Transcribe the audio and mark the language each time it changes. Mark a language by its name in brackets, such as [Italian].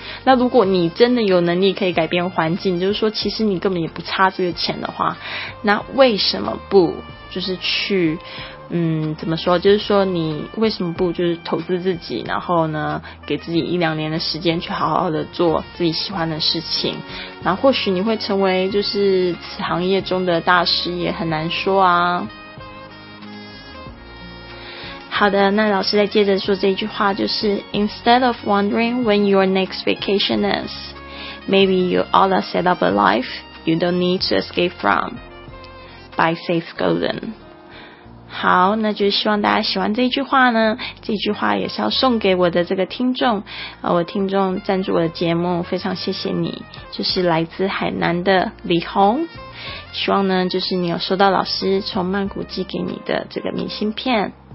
[Chinese] 那如果你真的有能力可以改变环境，就是说其实你根本也不差这个钱的话，那为什么不就是去怎么说，就是说你为什么不就是投资自己，然后呢给自己一两年的时间去好好的做自己喜欢的事情，然后或许你会成为就是此行业中的大师也很难说啊。好的，那老师再接着说这一句话，就是 [English] Instead of wondering when your next vacation is, maybe you oughta set up a life you don't need to escape from by Seth Godin。 [Chinese] 好，那就希望大家喜欢这一句话呢。这句话也是要送给我的这个听众，我听众赞助我的节目，非常谢谢你，就是来自海南的李红。希望呢，就是你有收到老师从曼谷寄给你的这个明信片。